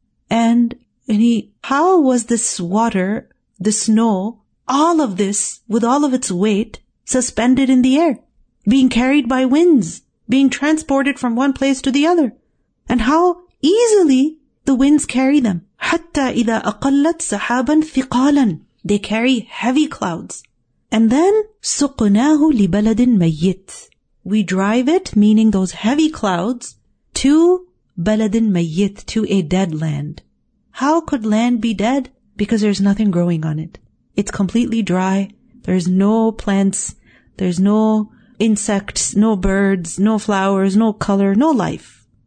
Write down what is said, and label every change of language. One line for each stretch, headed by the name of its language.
English: And how was this water, the snow, all of this with all of its weight suspended in the air, being carried by winds, being transported from one place to the other, and how easily the winds carry them.
Arabic: حَتَّى إِذَا أَقَلَّتْ سَحَابًا ثِقَالًا.
English: They carry heavy clouds. And then
Arabic: سُقْنَاهُ لِبَلَدٍ مَيِّتٍ.
English: We drive it, meaning those heavy clouds, to
Arabic: بَلَدٍ مَيِّتٍ,
English: to a dead land. How could land be dead? Because there's nothing growing on it. It's completely dry. There's no plants. There's no insects, no birds, no flowers, no color, no life.